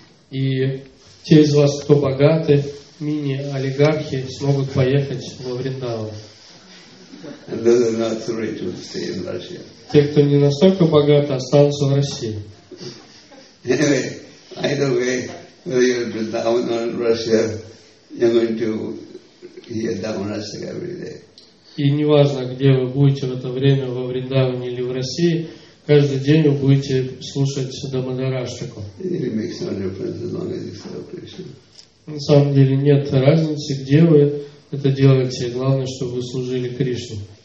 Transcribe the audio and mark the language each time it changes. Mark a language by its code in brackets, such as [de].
[ru] И те из вас, кто богаты, мини-олигархи, смогут поехать во Вриндаван. [en] And those are not so rich will stay in Russia. [ru] Те, кто не настолько богаты, останутся в России. [en] Anyway, either way, whether you're in Vrindavan or in Russia, you're going to hear Dhammarasika every day. [ru] И неважно, где вы будете в это время, во Вриндаване или в России, каждый день вы будете слушать Дамодараштику. [en] It makes no difference as long as you serve Krishna. [ru] На самом деле нет разницы, где вы это делаете, главное, чтобы вы служили Кришне.